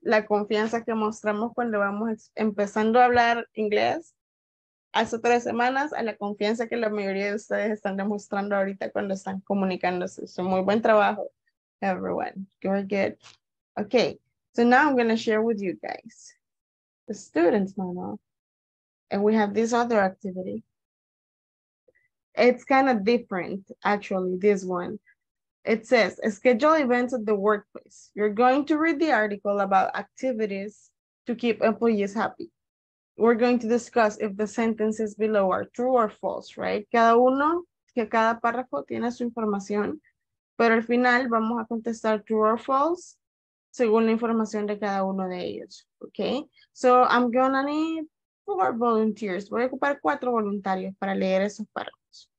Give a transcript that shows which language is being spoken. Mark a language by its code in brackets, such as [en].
[es] La confianza que mostramos cuando vamos empezando a hablar inglés. Hace tres semanas, a la confianza que la mayoría de ustedes están demostrando ahorita cuando están comunicándose. So, muy buen trabajo, [en] everyone. Very good. Okay, so now I'm going to share with you guys the student's manual. And we have this other activity. It's kind of different, actually, this one. It says, schedule events at the workplace. You're going to read the article about activities to keep employees happy. We're going to discuss if the sentences below are true or false, right? [es] Cada uno, que cada párrafo tiene su información. Pero al final vamos a contestar true or false según la información de cada uno de ellos, okay? [en] So I'm gonna need 4 volunteers. [es] Voy a ocupar 4 voluntarios para leer esos párrafos.